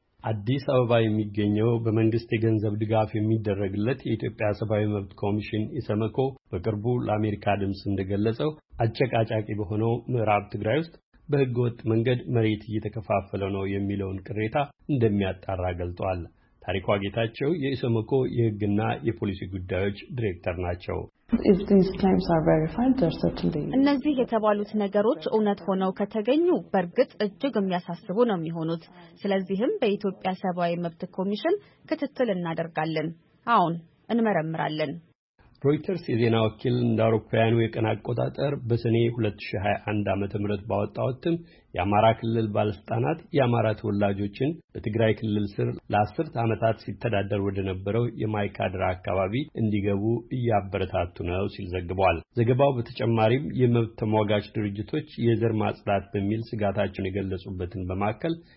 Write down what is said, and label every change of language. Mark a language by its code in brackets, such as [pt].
[am] አዲስ አበባ የሚገኘው በመንግስት የገንዘብ ድጋፍ የሚደረግለት የኢትዮጵያ ሰብአዊ መብት ኮሚሽን ኢሰመኮ በቅርቡ ለአሜሪካ ድምጽ እንደገለጸው አጨቃጫቂ በሆነው ምዕራብ ትግራይ ውስጥ በሕገ ወጥ መንገድ መሬት እየተከፋፈለ ነው የሚለውን ቅሬታ እንደሚያጣራ ገልጿል። ታሪኳ ጌታቸው የኢሰመኮ የሕግና የፖሊሲ ጉዳዮች ዳይሬክተር ናቸው። [en] If these claims are verified, there certainly is. [am] እነዚህ የተባሉት ነገሮች እውነት ሆነው ከተገኙ በርግጥ እጅግ የሚያሳስቡ ነው የሚሆኑት። ስለዚህም በኢትዮጵያ ሰብአዊ መብት ኮሚሽን ክትትል እናደርጋለን። አሁን እንመረምራለን። ሮይተርስ የዜና ወኪል እንደ አውሮፓውያኑ የቀን አቆጣጠር በሰኔ 2021 ዓ.ም ባወጣውትም የአማራ ክልል ባለስልጣናት የአማራ ተወላጆችን በትግራይ ክልል ስር ለ10 ዓመታት ሲተዳደሩ እንደነበረው የማይካድራ አካባቢ እንዲገቡ እያበረታቱ ነው ሲል ዘግቧል። ዘገባው በተጨማሪም የመብት ተሟጋች ድርጅቶች የዘር ማጽዳት በሚል ስጋታቸውን የገለጹበትን በማከል